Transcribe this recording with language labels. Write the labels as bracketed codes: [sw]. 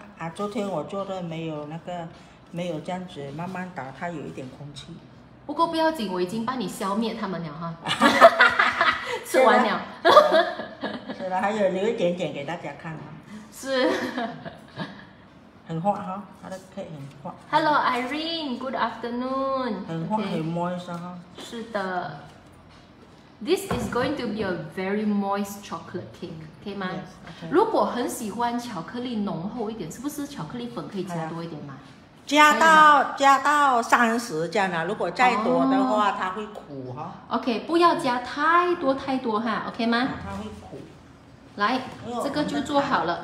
[zh] 啊，昨天我做的没有那个，没有这样子慢慢打，它有一点空气。不过不要紧，我已经帮你消灭它们了哈。吃完了。是了，还有留一点点给大家看啊。是。很滑哈，它的 cake 很滑。 [en] Hello Irene, good afternoon. [zh] 很滑、okay. 很 moist 哈。是的。 [en] This is going to be a very moist chocolate cake, okay 吗 yes, okay. [zh] 如果很喜欢巧克力浓厚一点，是不是巧克力粉可以加多一点吗？加到30这样啊，如果再多的话、oh. 它会苦、哦、 OK, 不要加太多太多哈 ,OK 吗它会苦。来这个就做好了。